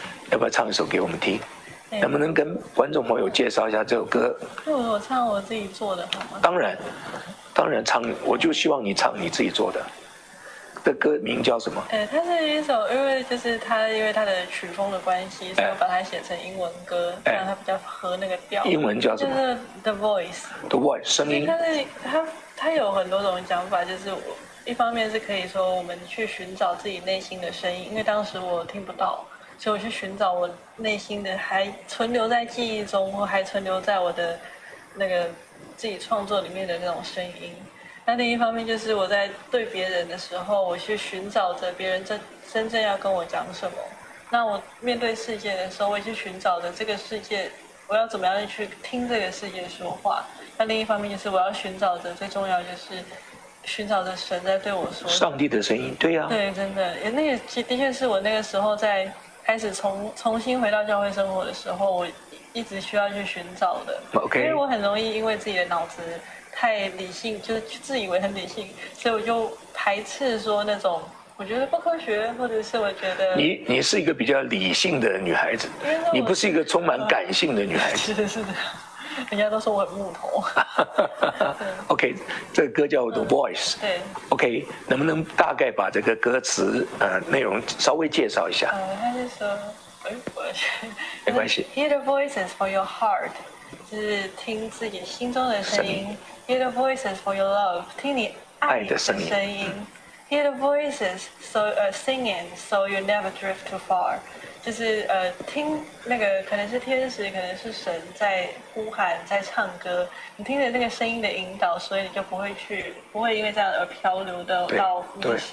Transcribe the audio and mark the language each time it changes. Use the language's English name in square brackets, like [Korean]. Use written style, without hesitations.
[Chinese] 要不要唱一首给我们听？能不能跟观众朋友介绍一下这首歌？我唱我自己做的好吗？当然当然唱，我就希望你唱你自己做的。这歌名叫什么？它是一首，因为它的曲风的关系，所以我把它写成英文歌，这样它比较合那个调。英文叫什么？就是 The Voice。 The Voice 声音。它有很多种讲法，就是我一方面是可以说我们去寻找自己内心的声音，因为当时我听不到，所以我去寻找我内心的，还存留在记忆中，或还存留在我的那个自己创作里面的那种声音。那另一方面就是我在对别人的时候，我去寻找着别人真正要跟我讲什么。那我面对世界的时候，我也去寻找着这个世界，我要怎么样去听这个世界说话。那另一方面就是我要寻找着，最重要就是寻找着神在对我说的上帝的声音。对呀、啊、对，真的也那个的确是我那个时候在开始重新回到教会生活的时候，我一直需要去寻找的。 OK，因为我很容易因为自己的脑子太理性，就是自以为很理性，所以我就排斥说那种我觉得不科学，或者是我觉得你是一个比较理性的女孩子，你不是一个充满感性的女孩子。是的，人家都说我很木头。 OK， 这个歌叫 The Voice。对。 OK， 能不能大概把这个歌词内容稍微介绍一下？他就说，没关系。 [English] Hear the voices for your heart， [Chinese] 就是听自己心中的声音。 [English] Hear the voices for your love， [Chinese] 听你爱的声音。声音嗯、 [English] Hear the voices so singing so you never drift too far， [Chinese] 就是听那个可能是天使，可能是神在呼喊，在唱歌。你听着那个声音的引导，所以你就不会因为这样而漂流的到迷失。